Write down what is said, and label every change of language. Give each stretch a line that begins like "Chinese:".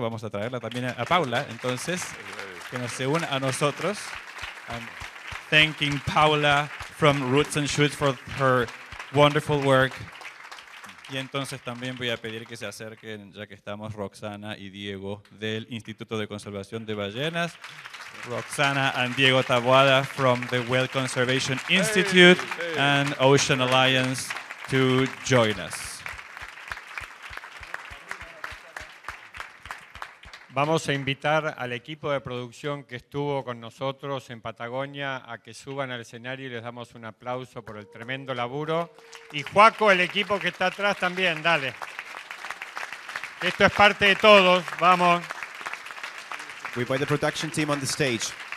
Spanish: Vamos a traerla también a Paula, entonces, que nos se une a nosotros.
English: I'm thanking Paula from Roots and Shoots for her wonderful work.
Spanish: Y entonces también voy a pedir que se acerquen, ya que estamos, Roxana y Diego del Instituto de Conservación de Ballenas.
English: Roxana and Diego Taboada from the Whale Conservation Institute and Ocean Alliance to join us.
Spanish: Vamos a invitar al equipo de producción que estuvo con nosotros en Patagonia a que suban al escenario y les damos un aplauso por el tremendo laburo. Y Joaco, el equipo que está atrás también, dale. Esto es parte de todos, vamos.
English: We invite the production team on the stage.